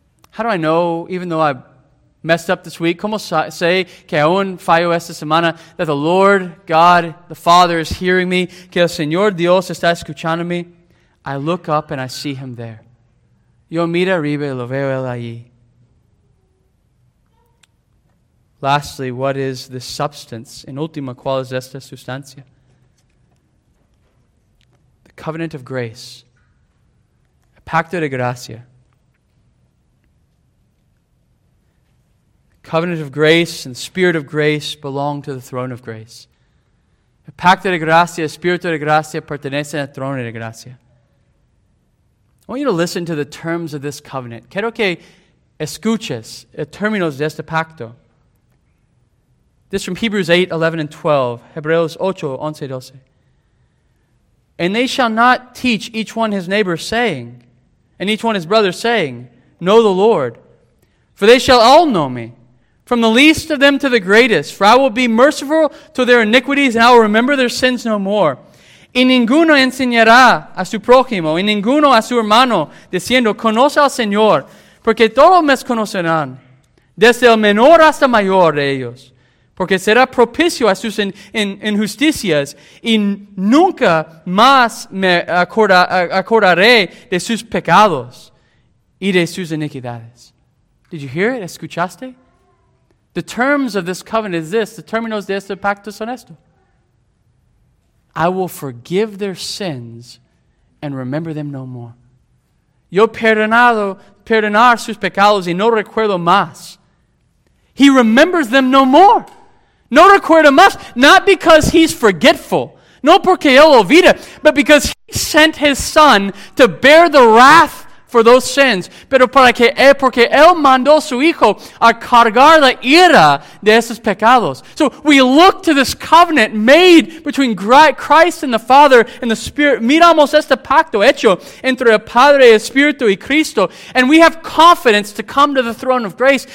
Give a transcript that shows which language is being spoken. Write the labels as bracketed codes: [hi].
[en] How do I know, even though I messed up this week, [es] como sé que aún fallo esta semana, [en] that the Lord God, the Father, is hearing me, [es] que el Señor Dios está escuchando me? [en] I look up and I see him there. [es] Yo miro arriba y lo veo él allí. [en] Lastly, what is the substance? [es] En última, ¿cuál es esta sustancia? [en] The covenant of grace. [es] El pacto de gracia. [en] Covenant of grace and the spirit of grace belong to the throne of grace. [es] El pacto de gracia, el espíritu de gracia pertenece al trono de gracia. [en] I want you to listen to the terms of this covenant. [es] Quiero que escuches los términos de este pacto. [en] This is from Hebrews 8, 11 and 12. [es] Hebreos 8, 11 y 12. [en] And they shall not teach each one his neighbor, saying, and each one his brother, saying, know the Lord. For they shall all know me, from the least of them to the greatest. For I will be merciful to their iniquities, and I will remember their sins no more. [es] Y ninguno enseñará a su prójimo, y ninguno a su hermano, diciendo, conoce al Señor, porque todos me conocerán, desde el menor hasta mayor de ellos, porque será propicio a sus injusticias, y nunca más me acordaré de sus pecados y de sus iniquidades. [en] Did you hear it? [es] ¿Escuchaste? [en] The terms of this covenant is this, the [es] términos de este pacto son estos. [en] I will forgive their sins and remember them no more. [es] Yo perdonar sus pecados y no recuerdo más. [en] He remembers them no more. [es] No recuerdo más. [en] Not because he's forgetful. [es] No porque él olvida. [en] But because he sent his son to bear the wrath for those sins. [es] Pero porque él mandó su hijo a cargar la ira de esos pecados. [en] So we look to this covenant made between Christ and the Father and the Spirit. [es] Miramos este pacto hecho entre el Padre, el Espíritu y Cristo. [en] And we have confidence to come to the throne of grace.